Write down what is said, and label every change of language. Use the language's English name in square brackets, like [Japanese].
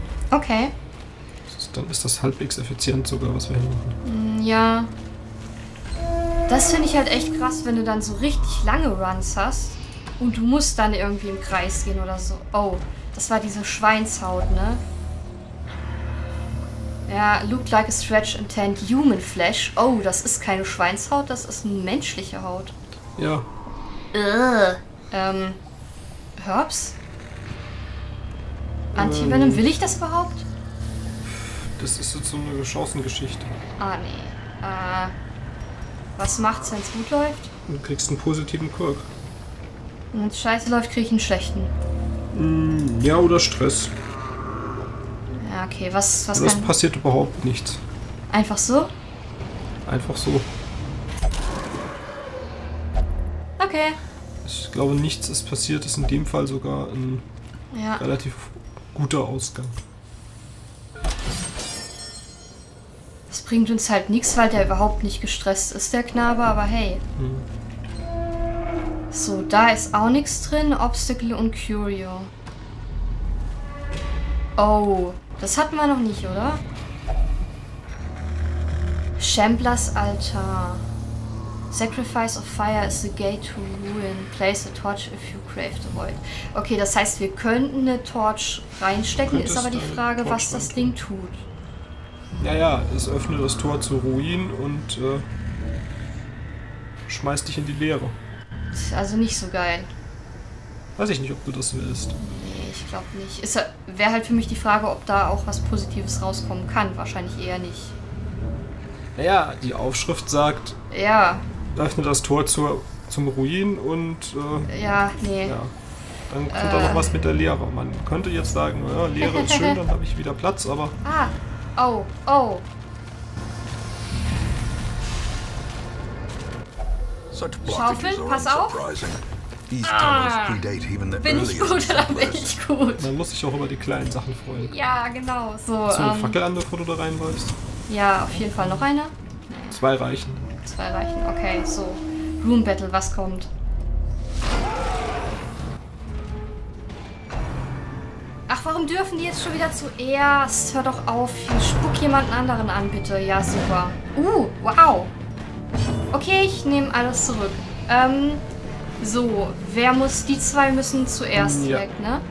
[German] Okay. Dann ist das halbwegs effizient sogar, was wir hier machen. Ja. Das finde ich halt echt krass, wenn du dann so richtig lange Runs hast und du musst dann irgendwie im Kreis gehen oder so. Oh, das war diese Schweinshaut, ne? [English] Ja, looked like a stretch and tanned human flesh. [German] Oh, das ist keine Schweinshaut, das ist eine menschliche Haut. Ja. Herbs? Anti-Venom, will ich das überhaupt? Das ist jetzt so eine Chancengeschichte. Ah, nee. Was macht's, wenn's gut läuft? Du kriegst einen positiven Quirk. Wenn's scheiße läuft, krieg ich einen schlechten. Ja, oder Stress. Okay, was kann... passiert überhaupt nichts. Einfach so? Einfach so. Okay. Ich glaube, nichts ist passiert. Ist in dem Fall sogar ein relativ guter Ausgang. Das bringt uns halt nichts, weil der überhaupt nicht gestresst ist, der Knabe. Aber hey. So, da ist auch nichts drin. Obstacle und Curio. Oh, das hatten wir noch nicht, oder? Shamblers Altar. [English] Sacrifice of Fire is the gate to ruin. Place a torch if you crave the void. [German] Okay, das heißt, wir könnten eine Torch reinstecken, ist aber die Frage, was das Ding tut. Ja, es öffnet das Tor zur Ruin und schmeißt dich in die Leere. Das ist also nicht so geil. Weiß ich nicht, ob du das willst. Nee, ich glaube nicht. Wäre halt für mich die Frage, ob da auch was Positives rauskommen kann. Wahrscheinlich eher nicht. Naja, die Aufschrift sagt, ja, öffnet das Tor zum Ruin und dann kommt da noch was mit der Leere. Man könnte jetzt sagen, ja, Leere ist schön, dann habe ich wieder Platz, aber... Oh. Schaufeln, pass auf. Bin ich gut oder bin ich gut? Man muss sich auch über die kleinen Sachen freuen. Ja, genau. So eine Fackel an, bevor du da reinläufst? Ja, auf jeden Fall noch eine. Zwei reichen, okay. So, Room Battle, was kommt? Ach, warum dürfen die jetzt schon wieder zuerst? Hör doch auf, spuck jemanden anderen an, bitte. Ja, super. Wow. Okay, ich nehme alles zurück. So, wer muss, die zwei müssen zuerst weg, ne?